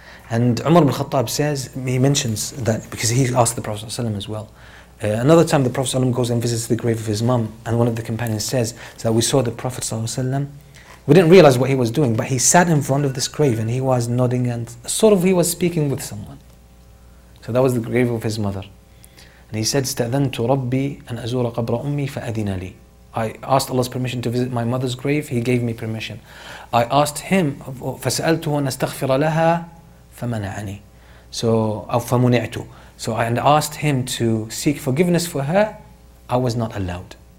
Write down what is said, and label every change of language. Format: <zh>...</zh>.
<en>And Umar ibn Khattab says, he mentions that, because he asked the Prophet ﷺ as well. Another time the Prophet ﷺ goes and visits the grave of his mom, and one of the companions says that we saw the Prophet ﷺ. We didn't realize what he was doing, but he sat in front of this grave and he was nodding and sort of he was speaking with someone. So that was the grave of his mother. And he said,</en> <ar>استأذنتُ ربي أن أزور قبر أمي فأذن لي.</ar> <en>I asked Allah's permission to visit my mother's grave, he gave me permission. I asked him,</en> <ar>فسألته أن أستغفر لها فمنعني.</ar> <en>So</en> <ar>أو فمنعت.</ar> <en>So I asked him to seek forgiveness for her. I was not allowed.</en>